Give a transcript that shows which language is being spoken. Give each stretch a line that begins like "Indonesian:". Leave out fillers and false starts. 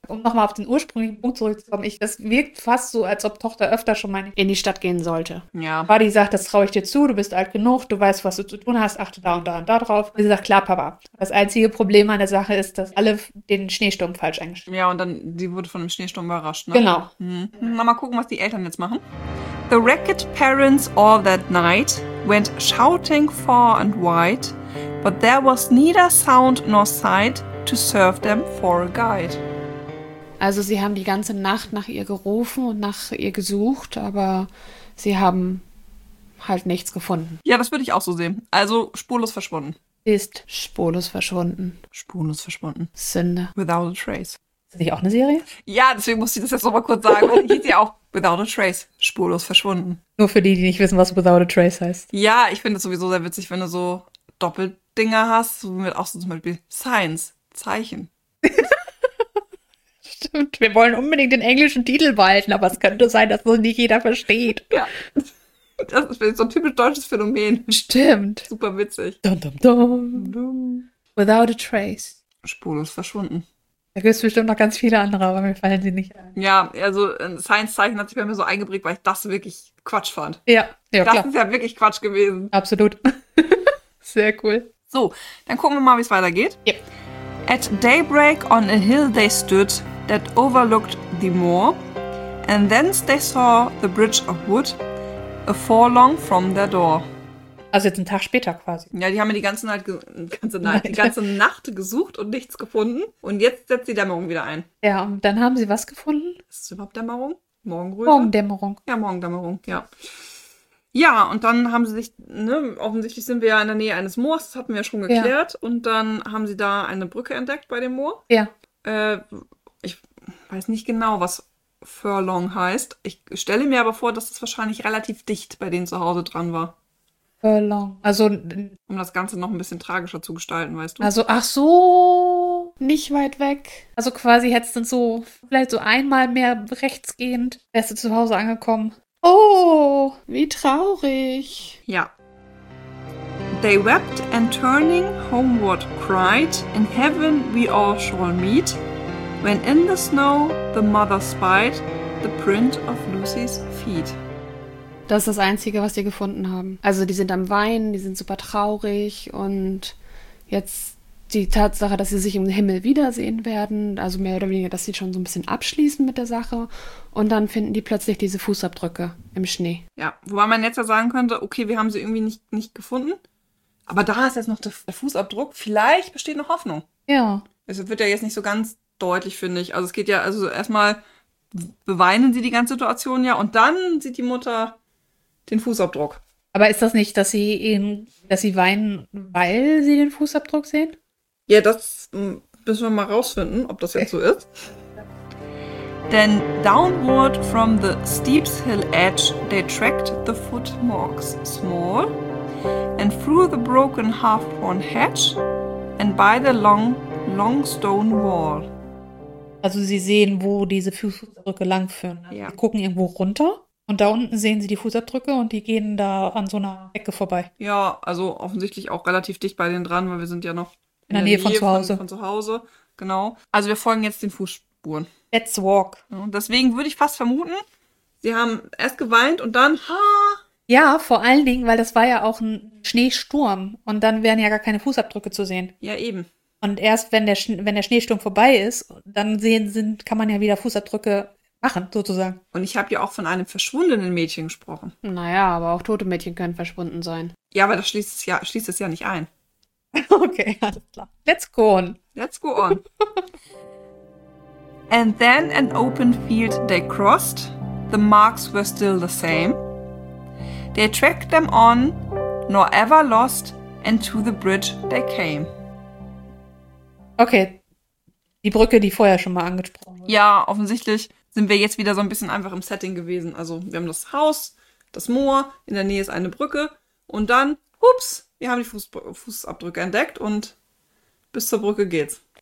German: Um nochmal auf den ursprünglichen Punkt zurückzukommen, das wirkt fast so, als ob Tochter öfter schon mal in die Stadt gehen sollte. Ja. Buddy sagt, das traue ich dir zu, du bist alt genug, du weißt, was du zu tun hast, achte da und da und da drauf. Und sie sagt, klar, Papa. Das einzige Problem an der Sache ist, dass alle den Schneesturm falsch eingeschätzt Ja, und dann, die wurde von dem Schneesturm überrascht, ne? haben. Na, mal gucken, was die Eltern jetzt machen.
English: The wrecked parents all that night went shouting far and wide, but there was neither sound nor sight to serve them for a guide.
German: Also sie haben die ganze Nacht nach ihr gerufen und nach ihr gesucht, aber sie haben halt nichts gefunden. Ja, das würde ich auch so sehen. Also spurlos verschwunden. Ist spurlos verschwunden. Spurlos verschwunden. Sünde.
English: Without a trace.
German: Ist das nicht auch eine Serie? Ja, deswegen musste ich das jetzt noch mal kurz sagen, weil die hieß ja auch Without a Trace, spurlos verschwunden. Nur für die, die nicht wissen, was Without a Trace heißt. Ja, ich finde es sowieso sehr witzig, wenn du so Doppeldinger hast, so mit auch so zum Beispiel Signs, Zeichen. Stimmt, wir wollen unbedingt den englischen Titel behalten, aber es könnte sein, dass so nicht jeder versteht. Das ist so ein typisch deutsches Phänomen. Stimmt. Super witzig. Dum, dum, dum. Dumm.
English: Without a Trace.
German: Spurlos verschwunden. Da gibt es bestimmt noch ganz viele andere, aber mir fallen sie nicht ein. Ja, also ein Science-Zeichen hat sich bei mir so eingeprägt, weil ich das wirklich Quatsch fand. Ja, Das ist klar. ja wirklich Quatsch gewesen. Absolut. Sehr cool. So, dann gucken wir mal, wie es weitergeht.
English: At daybreak on a hill they stood that overlooked the moor, and thence they saw the bridge of wood a furlong from their door.
German: Also jetzt einen Tag später quasi. Ja, die haben mir die ganze Nacht, die Meinte. ganze Nacht gesucht und nichts gefunden. Und jetzt setzt die Dämmerung wieder ein. Ja, und dann haben sie was gefunden? Ist es überhaupt Dämmerung? Morgenröte? Morgendämmerung. Ja, Morgendämmerung, ja. Ja, und dann haben sie sich, ne, offensichtlich sind wir ja in der Nähe eines Moors, das hatten wir ja schon Ja. geklärt. Und dann haben sie da eine Brücke entdeckt bei dem Moor. Ja. Ich weiß nicht genau, was Furlong heißt. Ich stelle mir aber vor, dass es das wahrscheinlich relativ dicht bei denen zu Hause dran war. Also, Um das Ganze noch ein bisschen tragischer zu gestalten, weißt du? ach so, nicht weit weg. Also quasi hättest du so vielleicht so einmal mehr rechtsgehend, wärst du zu Hause angekommen. Oh, wie traurig. Ja.
English: They wept and turning homeward cried, In heaven we all shall meet, when in the snow the mother spied the print of Lucy's feet.
German: Das ist das Einzige, was sie gefunden haben. Also, die sind am Weinen, die sind super traurig und jetzt die Tatsache, dass sie sich im Himmel wiedersehen werden, also mehr oder weniger, dass sie schon so ein bisschen abschließen mit der Sache und dann finden die plötzlich diese Fußabdrücke im Schnee. Ja, wobei man jetzt ja sagen könnte, okay, wir haben sie irgendwie nicht gefunden. Aber da ist jetzt noch der Fußabdruck. Vielleicht besteht noch Hoffnung. Ja. Es wird ja jetzt nicht so ganz deutlich, finde ich. Also es geht ja, also erstmal beweinen sie die ganze Situation ja und dann sieht die Mutter den Fußabdruck. Aber ist das nicht, dass sie eben, dass sie weinen, weil sie den Fußabdruck sehen? Ja, das müssen wir mal rausfinden, ob das jetzt so ist.
English: Then downward from the steep's hill edge they tracked the footmarks small and through the broken half-worn hedge and by the long stone wall.
German: Also sie sehen, wo diese Fußabdrücke langführen. Also sie Ja. gucken irgendwo runter. Und da unten sehen Sie die Fußabdrücke und die gehen da an so einer Ecke vorbei. Ja, also offensichtlich auch relativ dicht bei denen dran, weil wir sind ja noch In der der Nähe von Nähe zu von Hause. zu Hause. Genau. Also wir folgen jetzt den Fußspuren.
English: Let's walk.
German: Deswegen würde ich fast vermuten, sie haben erst geweint und dann, ha! Ja, vor allen Dingen, weil das war ja auch ein Schneesturm und dann wären ja gar keine Fußabdrücke zu sehen. Ja, eben. Und erst wenn der Schneesturm vorbei ist, dann sehen sind kann man ja wieder Fußabdrücke machen, sozusagen. Und ich habe ja auch von einem verschwundenen Mädchen gesprochen. Naja, aber auch tote Mädchen können verschwunden sein. Ja, aber das schließt es ja nicht ein. Okay, alles klar.
English: Let's go on. Let's go on. And then an open field they crossed. The marks were still the same. They tracked them on, nor ever lost and to the bridge they came.
German: Okay, die Brücke, die vorher schon mal angesprochen wurde. Ja, offensichtlich sind wir jetzt wieder so ein bisschen einfach im Setting gewesen. Also wir haben das Haus, das Moor, in der Nähe ist eine Brücke und dann, ups, wir haben die Fußabdrücke entdeckt und bis zur Brücke geht's.